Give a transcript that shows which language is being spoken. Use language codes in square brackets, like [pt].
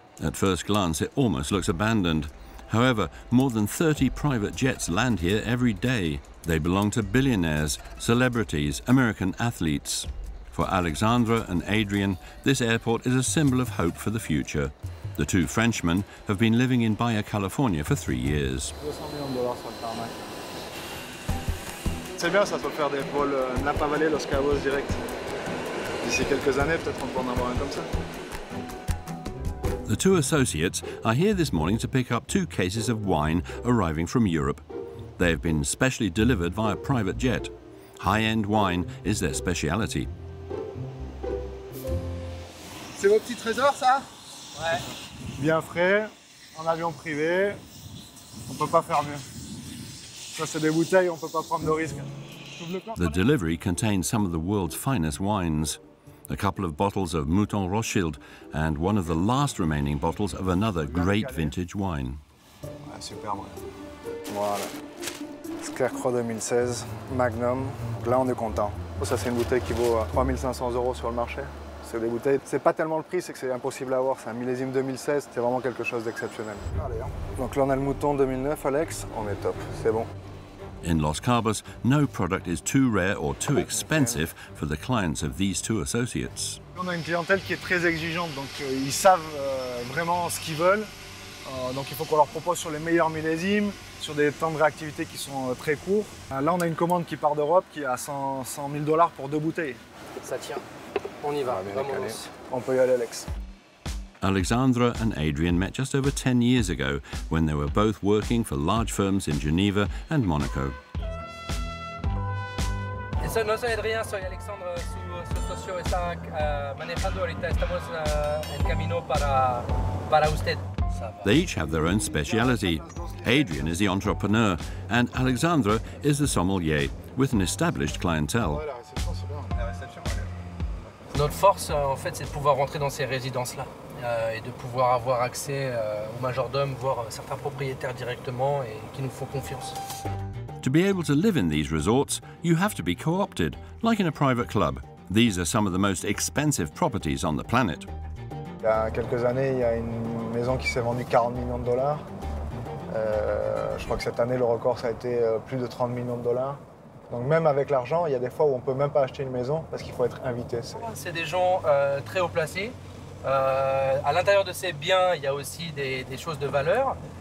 [en] At first glance, it almost looks abandoned. However, more than 30 private jets land here every day. They belong to billionaires, celebrities, American athletes. For Alexandra and Adrien, this airport is a symbol of hope for the future. The two Frenchmen have been living in Baja California for 3 years. [fr] C'est bien, ça peut faire des vols Napa Valley, Los Cabos direct. D'ici quelques années, peut-être on pourra en avoir un comme ça. [en] The two associates are here this morning to pick up 2 cases of wine arriving from Europe. They have been specially delivered via private jet. High-end wine is their speciality. [fr] C'est votre petit trésor, ça? Ouais. Bien frais, en avion privé. On peut pas faire mieux. Ça, c'est des bouteilles, on peut pas prendre de risque. [en] The delivery contains some of the world's finest wines. A couple of bottles of Mouton Rothschild and one of the last remaining bottles of another great vintage wine. [fr] Ouais, super, ouais. Voilà. Scarecrow 2016, Magnum. Là, on est content. Ça, c'est une bouteille qui vaut 3 500 € sur le marché. C'est des bouteilles. C'est pas tellement le prix, c'est que c'est impossible à avoir. C'est un millésime 2016, c'est vraiment quelque chose d'exceptionnel. Allez, hein. Donc là, on a le Mouton 2009, Alex. On est top, c'est bon. [en] In Los Cabos, no product is too rare or too expensive for the clients of these two associates. [fr] On a une clientèle qui est très exigeante, donc ils savent vraiment ce qu'ils veulent. Donc il faut qu'on leur propose sur les meilleurs millésimes, sur des temps de réactivité qui sont très courts. Là, on a une commande qui part d'Europe qui est à 100 000 $ pour 2 bouteilles. Ça tient. On y va. On peut y aller, Alex. [en] Alexandra and Adrien met just over 10 years ago when they were both working for large firms in Geneva and Monaco. [fr] Nous sommes Adrien, [es] soy Alexandre, su socio está manejando ahorita, estamos en camino para usted. [en] They each have their own speciality. Adrien is the entrepreneur and Alexandra is the sommelier with an established clientele. [fr] Notre force en fait c'est de pouvoir rentrer dans ces résidences là. Et de pouvoir avoir accès au majordome, voir certains propriétaires directement et qui nous font confiance. [en] To be able to live in these resorts, you have to be co-opted, like in a private club. These are some of the most expensive properties on the planet. [fr] Il y a quelques années, il y a une maison qui s'est vendue 40 millions de dollars. Je crois que cette année, le record, ça a été plus de 30 millions de dollars. Donc même avec l'argent, il y a des fois où on ne peut même pas acheter une maison parce qu'il faut être invité. C'est des gens très haut placés. À l'intérieur de ces biens, il y a aussi des choses de valeur.